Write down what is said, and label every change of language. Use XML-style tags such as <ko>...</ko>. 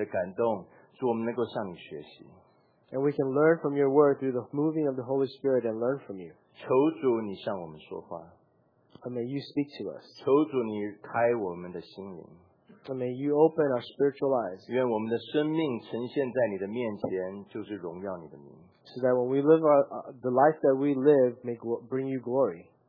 <zh>我们可以来到你话语的面前，借着圣灵的感动，主，我们能够向你学习。</zh> <en>And we can learn from your word through the moving of the Holy Spirit and learn from you.</en> <zh>求主你向我们说话。</zh> <en>And may you speak to us.</en> <zh>求主你开我们的心灵。</zh> <en>And may you open our spiritual eyes.</en> <zh>愿我们的生命呈现在你的面前，就是荣耀你的名。</zh> <en>So that when we live our, the life that we live, may bring you glory.</en>